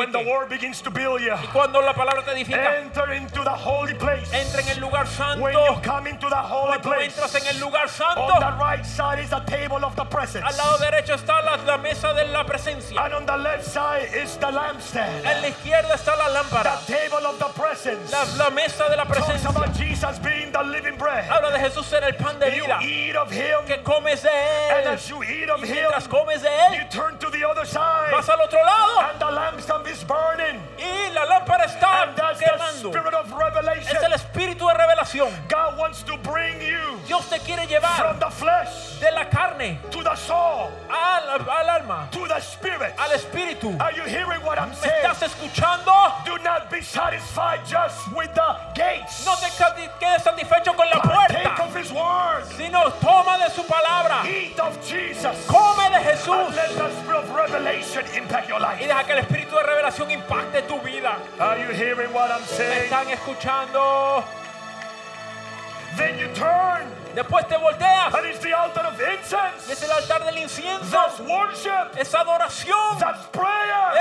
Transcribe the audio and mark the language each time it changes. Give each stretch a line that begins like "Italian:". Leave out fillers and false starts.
English: And when the word begins to build you.
Spanish: Y cuando la palabra te edifica.
English: Enter into the holy place.
Spanish: Entra en el lugar santo.
English: When you come into the holy place.
Spanish: Cuando entras en el lugar santo.
English: On the right side is the table of the presence.
Spanish: Al lado derecho está la mesa de la presencia.
English: And on the left side is the lampstand.
Spanish: En la izquierda está la lámpara.
English: The table of the presence.
Spanish: La mesa de la presencia.
English: Talks about Jesus being the living bread.
Spanish: Habla de Jesús ser el pan de vida.
English: You eat of him.
Spanish: Que comes de él.
English: And as you eat of him.
Spanish: Y mientras comes de él.
English: You turn to the other side.
Spanish: Vas al otro lado.
English: And the lampstand is burning.
Spanish: Y la lámpara está quemando.
English: And that's
Spanish: quemando.
English: The spirit of revelation.
Spanish: Es el espíritu de revelación.
English: God wants to bring you.
Spanish: Dios te quiere llevar.
English: From the flesh.
Spanish: De la carne.
English: To the soul.
Spanish: Al alma,
English: to the spirit,
Spanish: al espíritu.
English: Are you hearing what I'm
Spanish: ¿me
English: saying?
Spanish: ¿Estás escuchando?
English: Do not be satisfied just with the gates.
Spanish: No te quedes satisfecho con la puerta.
English: Take of his word.
Spanish: Sino toma de su palabra.
English: Eat of Jesus.
Spanish: Come de Jesús.
English: And let the spirit of revelation impact your life.
Spanish: Y deja que el espíritu de revelación impacte tu vida.
English: Are you hearing what I'm saying?
Spanish: ¿Me están escuchando?
English: Then you turn.
Spanish: Después te volteas.
English: And it's the altar of incense.
Spanish: Es el altar del incienso.
English: That's worship.
Spanish: Es adoración.
English: That's prayer.